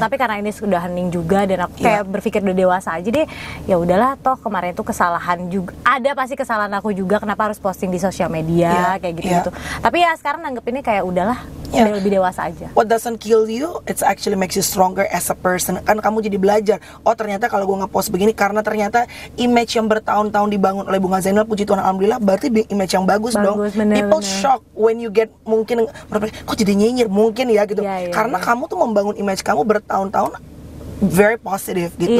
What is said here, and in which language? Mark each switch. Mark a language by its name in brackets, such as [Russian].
[Indonesian] tapi karena ini sudah hening juga dan aku kayak berpikir udah dewasa aja deh, ya udahlah toh kemarin tuh kesalahan juga ada, pasti kesalahan aku juga kenapa harus posting di sosial media kayak gitu gitu. Tapi ya sekarang nanggepinnya kayak udahlah lebih dewasa aja. [English] What doesn't kill you, it's actually makes you stronger as a person. [Indonesian] Kan kamu jadi belajar, oh ternyata kalau gue ngepost begini karena ternyata image yang bertahun-tahun dibangun oleh Bunga Zainal, puji Tuhan alhamdulillah, berarti image yang bagus dong. Bener-bener. [English] People shock when you get [Indonesian] mungkin kok jadi nyinyir mungkin ya gitu. Ya, karena kamu tuh membangun image kamu bertahun-tahun [English] very positive gitu.